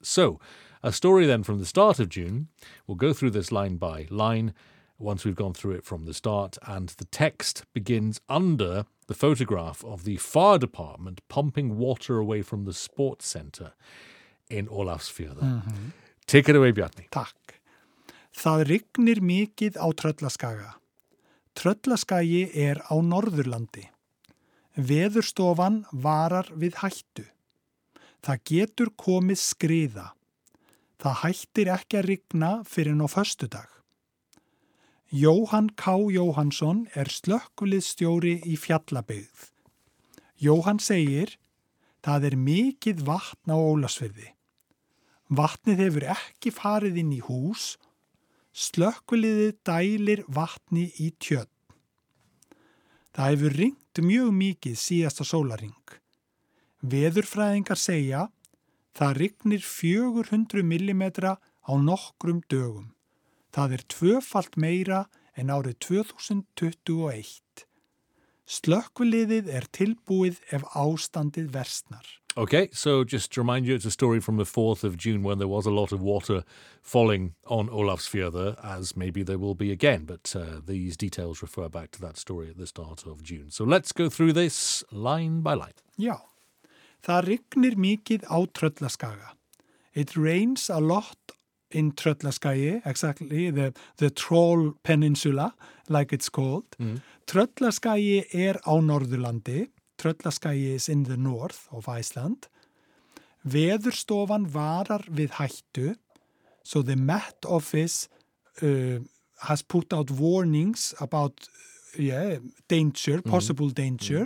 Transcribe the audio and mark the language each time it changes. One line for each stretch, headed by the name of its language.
English: So, a story then from the start of June. We'll go through this line by line once we've gone through it from the start. And the text begins under the photograph of the fire department pumping water away from the sports centre in Ólafsfjörður. Mm-hmm. Take it away, Bjarni.
Icelandic: Takk. Það rignir mikið á Tröllaskaga. Tröllaskagi er á Norðurlandi. Veðurstofan varar við hættu. Það getur komið skriða. Það hættir ekki að rigna fyrir á föstudag. Jóhann K. Jóhannsson slökkviliðsstjóri í Fjallabyggð. Jóhann segir, það mikið vatn á Ólafsfirði. Vatnið hefur ekki farið inn í hús. Slökkviliðið dælir vatni í tjörn. Það hefur rignt mjög mikið síðasta sólarhring. Veðurfræðingar segja, það rignir 400 mm á nokkrum dögum. Það tvöfalt meira en árið 2021. Slökkviliðið tilbúið ef ástandið versnar.
English: Okay, so just to remind you, it's a story from the 4th of June when there was a lot of water falling on Ólafsfjörður, as maybe there will be again, but these details refer back to that story at the start of June. So let's go through this line by line.
Icelandic: Já, það rignir mikið á Tröllaskaga.
English: It rains a lot in Tröllaskagi, exactly, the Troll Peninsula, like it's called. Mm.
Icelandic: Tröllaskagi á Norðurlandi.
English: Tröllaskagi is in the north of Iceland.
Icelandic: Veðurstofan varar við hættu.
English: So the Met Office has put out warnings about danger, possible danger.